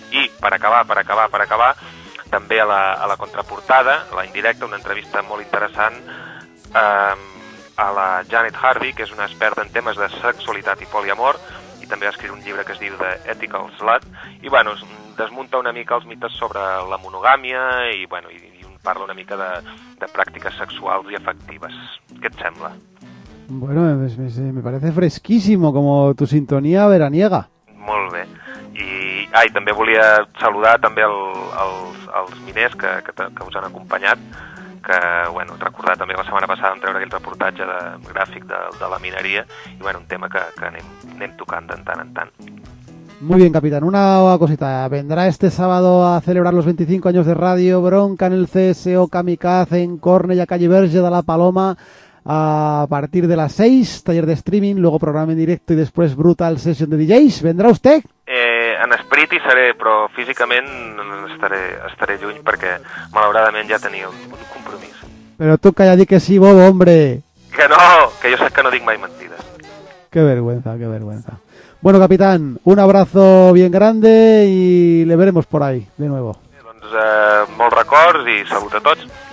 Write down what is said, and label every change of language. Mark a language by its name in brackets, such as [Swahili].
[Catalan] I per acabar, també a la contraportada, la indirecta, una entrevista molt interessant a la Janet Harvey, que és una experta en temes de sexualitat i poliamor, i també va escriure un llibre que es diu The Ethical Slut, i bueno, desmunta una mica els mites sobre la monogàmia i, bueno, i parla una mica de pràctiques sexuals i afectives. Què et sembla? [Spanish] Bueno, me parece fresquísimo, como tu sintonía veraniega. [Catalan] Molt bé. I també volia saludar també els miners que us han acompanyat, que, bueno, recordar també la setmana passada vam treure aquell reportatge gràfic de la mineria, i, bueno, un tema que anem tocant de tant en tant. [Spanish] Muy bien, capitán. Una cosita. ¿Vendrá este sábado a celebrar los 25 años de Radio Bronca en el CSO Kamikaze en Cornellà, calle Verge de la Paloma, a partir de las 6, taller de streaming, luego programa en directo y después brutal sesión de DJs? ¿Vendrá usted? [Catalan] En esperit hi seré, però físicament estaré lluny perquè malauradament ja tenia un compromís. Però tu calla, dir que sí, bo, hombre. Que no, que jo sé que no dic mai mentides. [Spanish] Qué vergüenza, qué vergüenza. Bueno, capitán, un abrazo bien grande y le veremos por ahí, de nuevo. [Catalan] Doncs molts records i salut a tots.